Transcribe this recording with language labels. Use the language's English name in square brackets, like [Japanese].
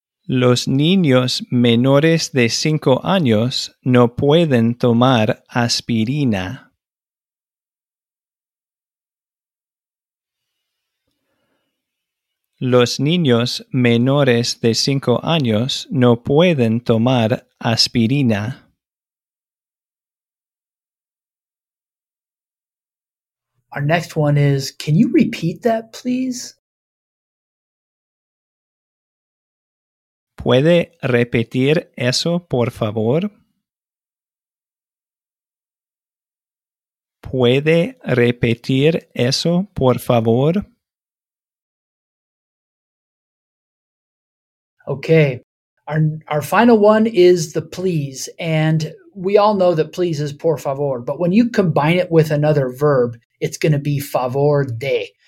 [Spanish] Los niños menores de 5 años no pueden tomar aspirina. Los niños menores de 5 años no pueden tomar aspirina. [English] Our next one is, can you repeat that, please? [Spanish] ¿Puede repetir eso, por favor? ¿Puede repetir eso, por favor? [English] Okay. Our final one is the please. And we all know that please is por favor. But when you combine it with another verb, it's going to be favor de.